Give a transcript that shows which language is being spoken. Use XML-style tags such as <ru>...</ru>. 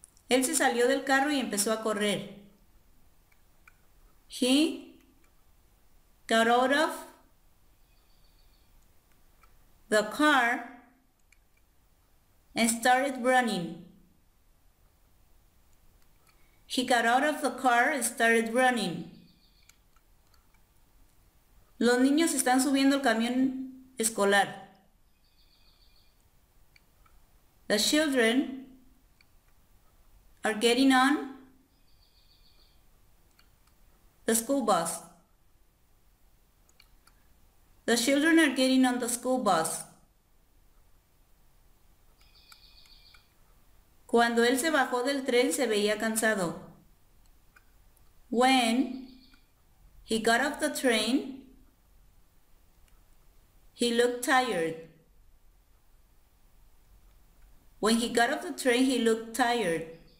<es>Él se salió del carro y empezó a correr.</es> <en>He got out of the car and started running. He got out of the car and started running.</en> <es>Los niños están subiendo el camión escolar.</es> <en>The children are getting on the school bus. The children are getting on the school bus.</en> <es>Cuando él se bajó del tren se veía cansado.</es> <en>When he got off the train, he looked tired. When he got off the train, he looked tired.</en>